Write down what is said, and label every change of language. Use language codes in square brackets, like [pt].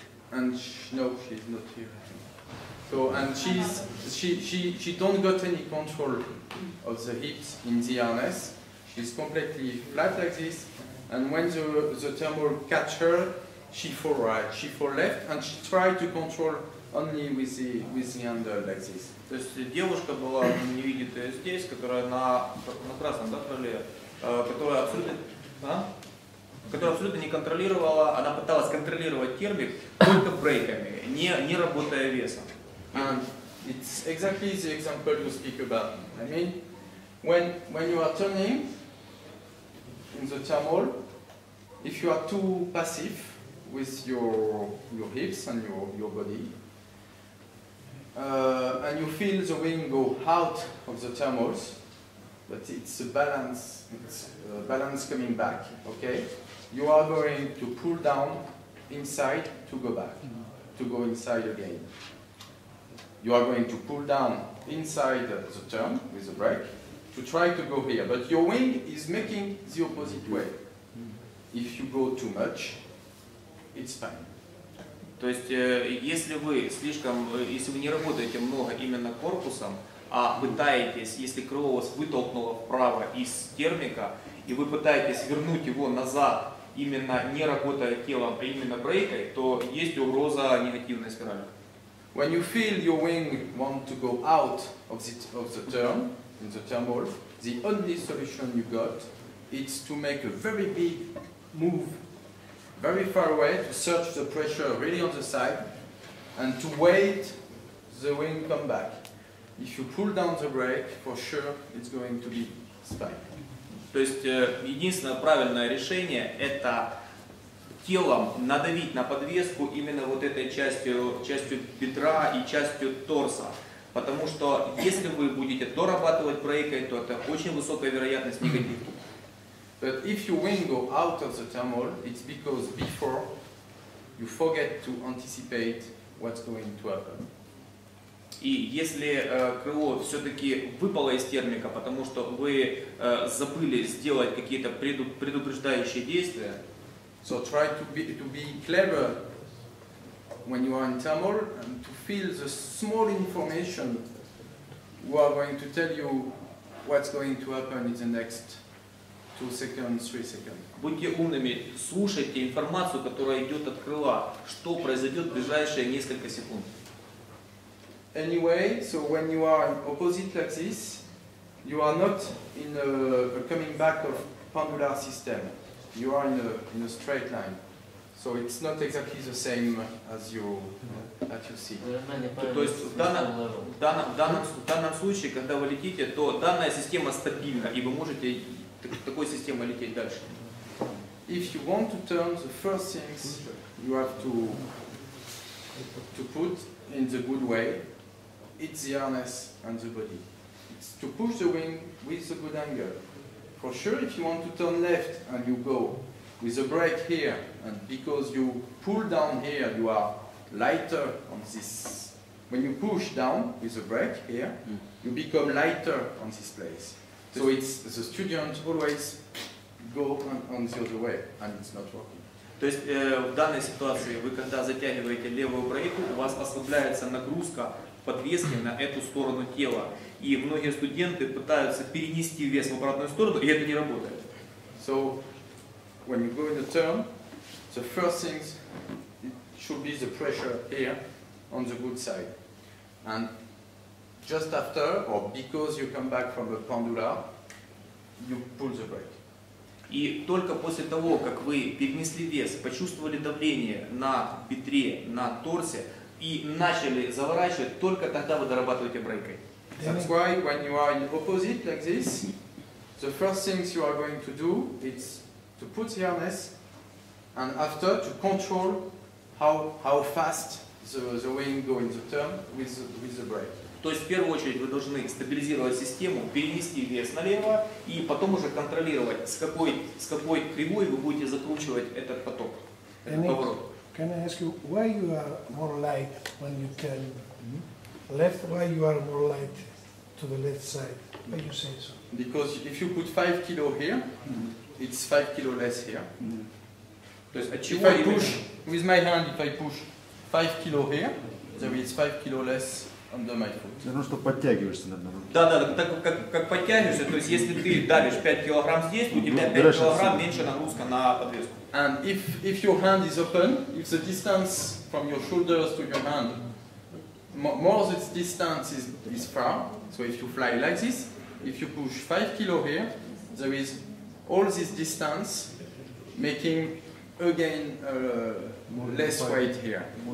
[en] And she's not here. So and she don't got any control of the hips in the harness. She's completely flat like this, and when the thermal catch her, she fall right, she fall left, and she tried to control only with the handle like this. [ru] То есть девушка была, не видит ее здесь, которая на красном, да, крыле, которая абсолютно не контролировала, она пыталась контролировать термик только брейками, не работая весом. [en] And it's exactly the example you speak about. I mean, when you are turning in the thermal, if you are too passive with your hips and your body, and you feel the wing go out of the thermals, but it's a balance coming back, okay? You are going to pull down inside to go back, to go inside again. You are going to pull down inside the turn with the brake to try to go here, but your wing is making the opposite way. If you go too much, it's fine. [ru] То есть, если вы не работаете много именно корпусом, а пытаетесь, если крыло вас вытолкнуло вправо из термика, и вы пытаетесь вернуть его назад именно не работая телом, а именно брейкой, то есть угроза негативной спирали. [en] When you feel your wing want to go out of the turn, in the turn wolf, the only solution you got is to make a very big move very far away to search the pressure really on the side and to wait the wing come back. If you pull down the brake, for sure it's going to be spike. [ru] То есть единственное правильное решение это телом надавить на подвеску именно вот этой частью бедра и частью торса. Потому что если вы будете дорабатывать брейкой, то это очень высокая вероятность негатива. [en] But if your wing go out of the thermal, it's because before you forget to anticipate what's going to happen. [ru] И если крыло все-таки выпало из термика, потому что вы забыли сделать какие-то предупреждающие действия. [en] So try to be clever when you are in thermal and to feel the small information who are going to tell you what's going to happen in the next 2 seconds, 3 seconds. [ru] Будьте умными, слушайте информацию, которая идет от крыла, что произойдет в ближайшие несколько секунд. [en] Anyway, so when you are opposite like this, you are not in a coming back of pendular system. You are in a straight line. So it's not exactly the same as you at your seat. [ru] То есть в данном случае, когда вы летите, то данная система стабильна, и вы можете такой системой лететь дальше. [en] If you want to turn, the first things you have to put in the good way, it's the harness and the body. It's to push the wing with a good angle. For sure, if you want to turn left and you go with a brake here, and because you pull down here, you are lighter on this. When you push down with a brake here, you become lighter on this place. So it's the student always go on the other way, and it's not working. [ru] То есть в данной ситуации вы когда затягиваете левую брейку, у вас ослабляется нагрузка подвески на эту сторону тела. И многие студенты пытаются перенести вес в обратную сторону, и это не работает. [en] So, when you go in the turn, the first thing should be the pressure here on the good side. And just after, or because you come back from a pendula, you pull the brake. [ru] И только после того, как вы перенесли вес, почувствовали давление на бедре, на торсе, и начали заворачивать, только тогда вы дорабатываете брейкой. [en] That's why when you are in opposite like this, the first things you are going to do is to put the harness and after to control how fast the wing go in the turn with the brake. [ru] То есть в первую очередь вы должны стабилизировать систему, перенести вес налево и потом уже контролировать, с какой кривой вы будете закручивать этот поток, этот поворот. [en] Can I ask you why you are more light when you turn left? Why you are more light to the left side? Why you say so? Because if you put 5 kilo here, it's 5 kilo less here. If I push with my hand, if I push 5 kilo here, there is 5 kilo less under my foot. [ru] Это что подтягиваешься на одном? Да, так как подтягиваешься, то есть если ты давишь 5 килограмм здесь, у тебя 5 килограмм меньше нагрузка на подвеску. [en] And if your hand is open, if the distance from your shoulders to your hand, more this distance is far, so if you fly like this, if you push 5 kilo here, there is all this distance making again less weight here.